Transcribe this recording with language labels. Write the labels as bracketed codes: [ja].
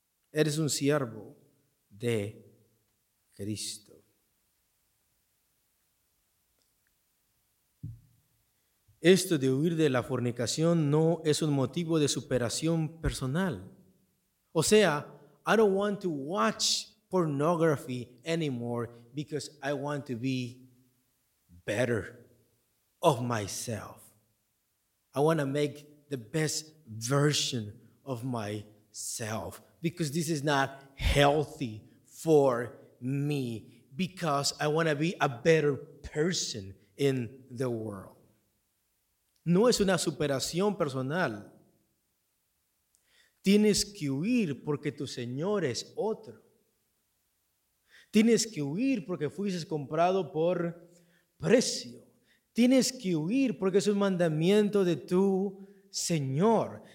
[es] Eres un siervo de Cristo. Esto de huir de la fornicación no es un motivo de superación personal. O sea, [en] I don't want to watch pornography anymore because I want to be better of myself. I want to make the best version of myself because this is not healthy for me, because I want to be a better person in the world. [es] No es una superación personal. Tienes que huir porque tu Señor es otro. Tienes que huir porque fuiste comprado por precio. Tienes que huir porque es un mandamiento de tu Señor.